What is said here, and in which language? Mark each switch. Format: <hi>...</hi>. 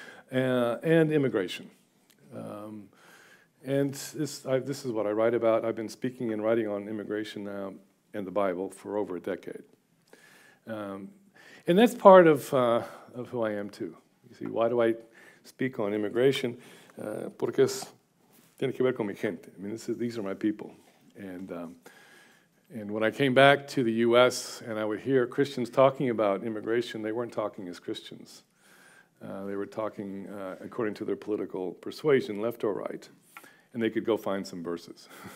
<en>And immigration. This is what I write about. I've been speaking and writing on immigration now and the Bible for over a decade. And that's part of who I am, too. You see, why do I speak on immigration?</en> <es>Porque es, tiene que ver con mi gente.</es> <en>I mean, these are my people. And when I came back to the U.S. and I would hear Christians talking about immigration, they weren't talking as Christians. They were talking according to their political persuasion, left or right, and they could go find some verses.</en>